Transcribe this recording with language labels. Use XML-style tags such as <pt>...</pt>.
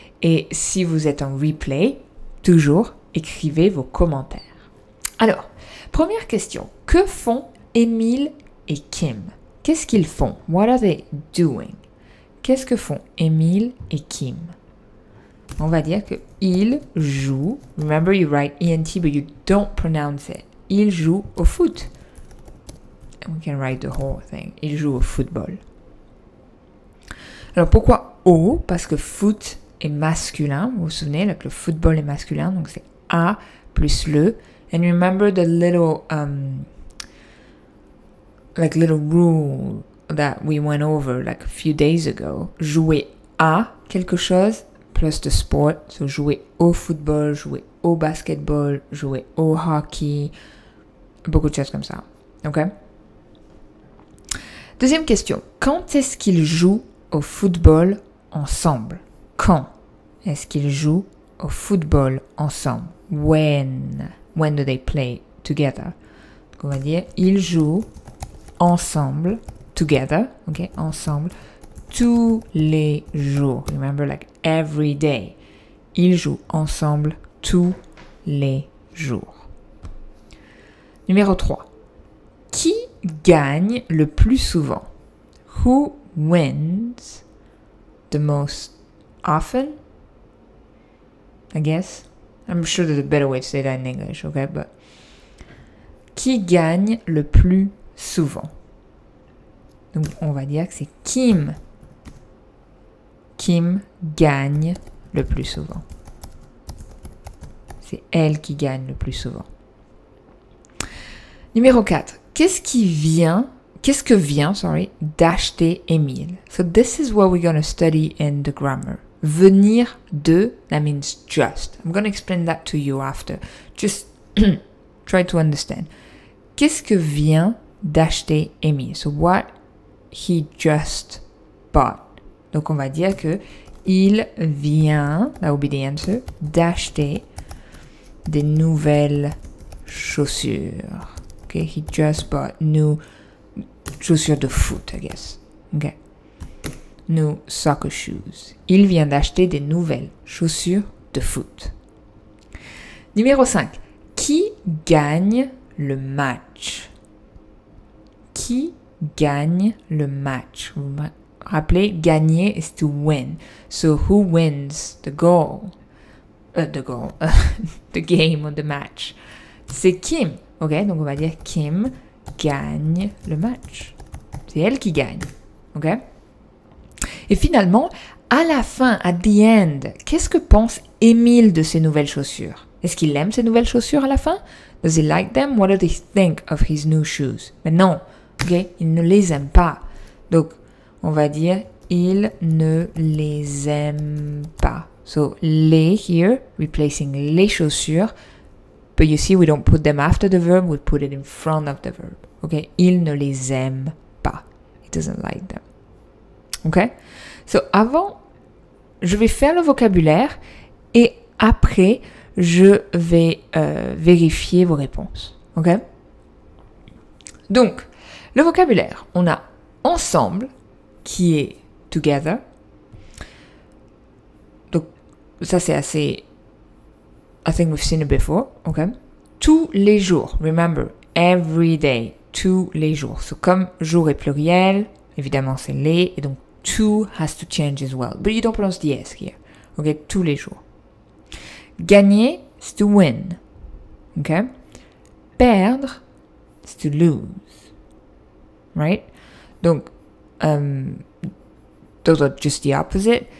<fr>Et si vous êtes en replay, toujours écrivez vos commentaires. Alors, première question. Que font Emil et Kim? Qu'est-ce qu'ils font?</fr> <en>What are they doing?</en> <fr>Qu'est-ce que font Emil et Kim? On va dire qu'ils jouent.</fr> <en>Remember, you write ENT, but you don't pronounce it.</en> <fr>Ils jouent au foot.</fr> <en>We can write the whole thing.</en> <fr>Il joue au football. Alors, pourquoi O? Parce que foot est masculin. Vous vous souvenez, là, que le football est masculin. Donc, c'est A plus le.</fr> <en>And remember the little, little rule that we went over, like, a few days ago.</en> <fr>Jouer à quelque chose plus</fr> <en>the sport.</en> <fr>So, jouer au football, jouer au basketball, jouer au hockey. Beaucoup de choses comme ça. Okay? Deuxième question. Quand est-ce qu'ils jouent au football ensemble? Quand est-ce qu'ils jouent au football ensemble?</fr> <en>When do they play together?</en> <fr>Donc on va dire, ils jouent ensemble, together, ok, ensemble, tous les jours.</fr> <en>Remember, like, every day.</en> <fr>Ils jouent ensemble tous les jours. Numéro 3. Qui gagne le plus souvent?</fr> <en>Who wins the most often? I guess. I'm sure there's a better way to say that in English, okay?</en> <fr>But qui gagne le plus souvent? Donc, on va dire que c'est Kim. Kim gagne le plus souvent. C'est elle qui gagne le plus souvent. Numéro 4. Qu'est-ce que vient d'acheter Emile?</fr> <en>So this is what we're going to study in the grammar. Venir de, that means just. I'm going to explain that to you after. Just try to understand.</en> <fr>Qu'est-ce que vient d'acheter Emile?</fr> <en>So what he just bought.</en> <fr>Donc on va dire que il vient,</fr> <en>that would be the answer,</en> <fr>d'acheter des nouvelles chaussures.</fr> <en>Okay, he just bought new</en> <fr>chaussures de foot,</fr> <en>I guess. Okay. New soccer shoes.</en> <fr>Il vient d'acheter des nouvelles chaussures de foot. Numéro 5. Qui gagne le match? Qui gagne le match? Vous vous rappelez, gagner</fr> <en>is to win. So who wins the goal? The game or the match?</en> <fr>C'est Kim. Ok, donc on va dire Kim gagne le match. C'est elle qui gagne. Ok? Et finalement, à la fin,</fr> <en>at the end,</en> <fr>qu'est-ce que pense Emile de ses nouvelles chaussures? Est-ce qu'il aime ses nouvelles chaussures à la fin?</fr> <en>Does he like them? What do they think of his new shoes?</en> <fr>Mais non, ok? Il ne les aime pas. Donc, on va dire, il ne les aime pas.</fr> <en>So, les here, replacing les chaussures. But you see, we don't put them after the verb, we put it in front of the verb.</en> <fr>Ok? Il ne les aime pas.</fr> <en>He doesn't like them.</en> <fr>Ok? So, avant, je vais faire le vocabulaire et après, je vais vérifier vos réponses. Ok? Donc, le vocabulaire, on a ensemble, qui est together. Donc, ça c'est assez.</fr> <en>I think we've seen it before.</en> <fr>Ok? Tous les jours.</fr> <en>Remember, every day.</en> <fr>Tous les jours. So, comme jour est pluriel, évidemment c'est les, et donc to</fr> <en>has to change as well. But you don't pronounce the S here.</en> <fr>Ok? Tous les jours. Gagner, c'est to win. Ok? Perdre, c'est to lose. Right?</fr> <en>Donc, those are just the opposite.</en>